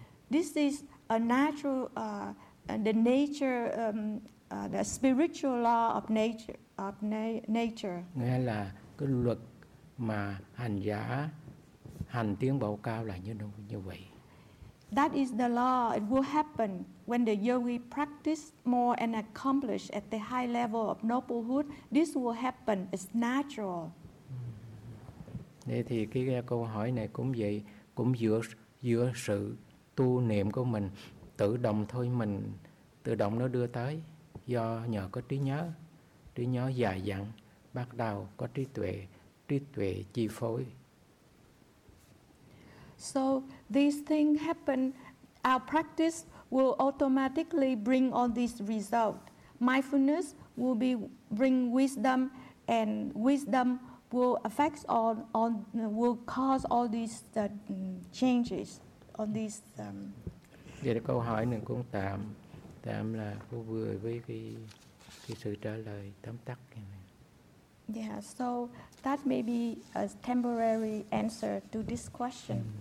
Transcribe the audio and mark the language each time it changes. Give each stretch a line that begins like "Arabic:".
English: This is a natural and the nature the spiritual law of nature.
Vietnamese: Nghĩa là cái luật mà hành giả hành tiến bộ cao là như vậy.
English: That is the law. It will happen when the yogi practice more and accomplish at the high level of noblehood. This will happen. It's natural.
Vietnamese: Thế thì cái câu hỏi này cũng vậy, cũng giữa sự tu niệm của mình, tự động thôi mình, tự động nó đưa tới, do nhờ có trí nhớ dài dặn, bắt đầu có trí tuệ chi phối.
English: So these things happen, our practice will automatically bring all these results. Mindfulness will be bring wisdom, and wisdom will affect all will cause all these changes on these
Vietnamese: Vậy là câu hỏi này cũng tạm là cô vừa với cái sự trả lời tóm tắt này.
English: Yeah, so that may be a temporary answer to this question.